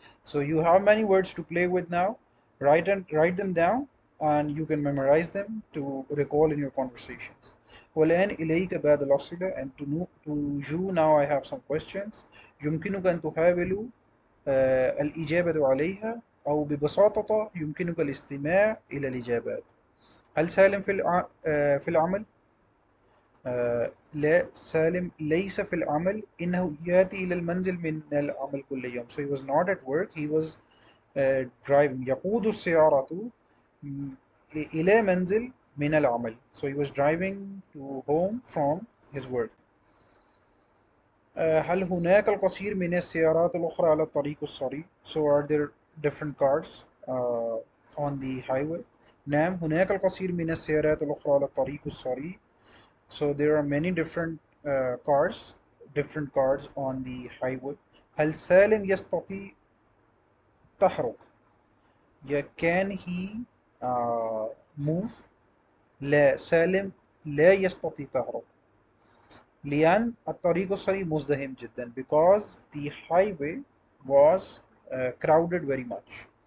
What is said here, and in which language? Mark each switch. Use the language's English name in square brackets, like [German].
[English] So you have many words to play with now. Write them down and you can memorize them to recall in your conversations. [Arabic] والآن إليك بعض الأسئلة [English] and to you now I have some questions. [Arabic] يمكنك أن تحاول الإجابة عليها أو ببساطة يمكنك الاستماع إلى الإجابات. هل سالم في العمل؟ لا سالم ليس في العمل. إنه يأتي إلى المنزل من العمل كل يوم. [English] So he was not at work. He was driving. [Arabic] يقود السيارة إلى منزل من العمل. [English] So he was driving to home from his work. [Arabic] هل هناك الكثير من السيارات الأخرى على الطريق السريع؟ [English] So are there different cars on the highway? [Arabic] نعم هناك الكثير من السيارات الأخرى على الطريق السريع. [English] So there are many different cars on the highway. [Arabic] هل سالم يستطيع تحرك؟ [English] Yeah, can he move? [Arabic] لا سالم لا يستطيع تحرك. لأن الطريق السريع مزدحم جدا. [English] Because the highway was crowded very much.